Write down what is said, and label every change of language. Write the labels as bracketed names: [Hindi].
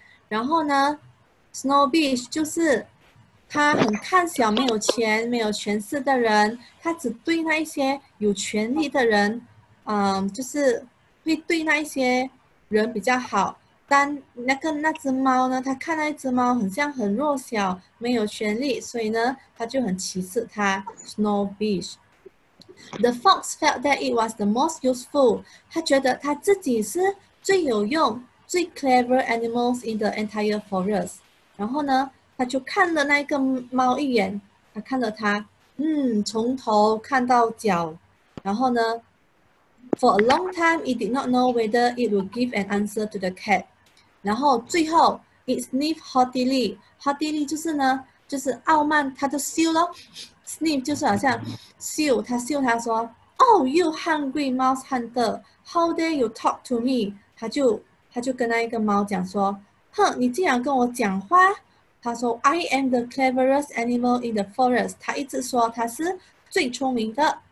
[Chinese] 然后呢，snobbish 就是他很看小没有钱、没有权势的人，他只对那一些有权力的人，就是会对那一些人比较好。但那只猫呢？它看那只猫很像很弱小，没有权力，所以呢，它就很歧视它。 [English] Snobbish. The fox felt that it was the most useful. [Chinese] 它觉得它自己是最有用、最 [English] clever animals in the entire forest. [Chinese] 然后呢，它就看了那个猫一眼，它看了它，从头看到脚，然后呢。 [English] For a long time, it did not know whether it would give an answer to the cat. [Chinese] 然后最后， [English] it sniffed haughtily. Haughtily [Chinese] 就是呢，就是傲慢，它就嗅咯。 [English] Sniff [Chinese] 就是好像嗅，它嗅，它说， [English] Oh, you hungry mouse hunter, how dare you talk to me? [Chinese] 它就跟那一个猫讲说，哼，你竟然跟我讲话。它说， [English] I am the cleverest animal in the forest. [Chinese] 它一直说它是最聪明的。